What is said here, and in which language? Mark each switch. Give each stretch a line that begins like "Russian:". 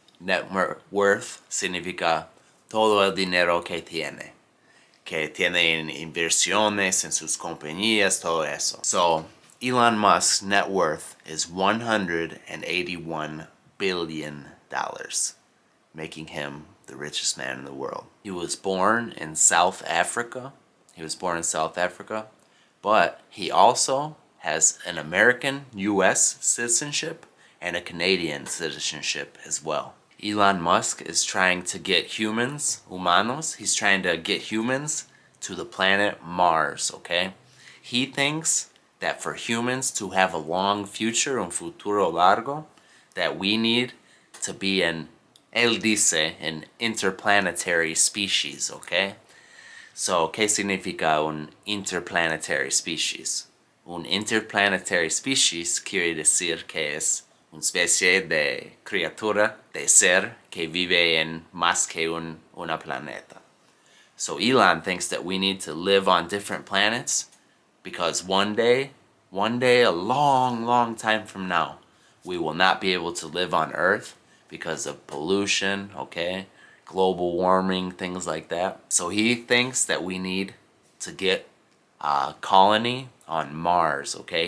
Spanish: Net worth significa todo el dinero que tiene. Que tiene inversiones en sus compañías, todo eso.
English: So, Elon Musk's net worth is $181 billion, making him the richest man in the world. He was born in South Africa. He was born in South Africa, but he also has an American U.S. citizenship and a Canadian citizenship as well. Elon Musk is trying to get humanos, he's trying to get humans to the planet Mars, okay? He thinks that for humans to have a long future,
Spanish: un futuro largo,
English: that we need to be an interplanetary species, okay?
Spanish: So, ¿qué significa un interplanetary species? Un interplanetary species quiere decir que es una especie de criatura, de ser, que vive en más que una planeta.
English: So Elon thinks that we need to live on different planets because one day, a long, long time from now, we will not be able to live on Earth because of pollution, okay? Global warming, things like that. So he thinks that we need to get a colony on Mars, okay?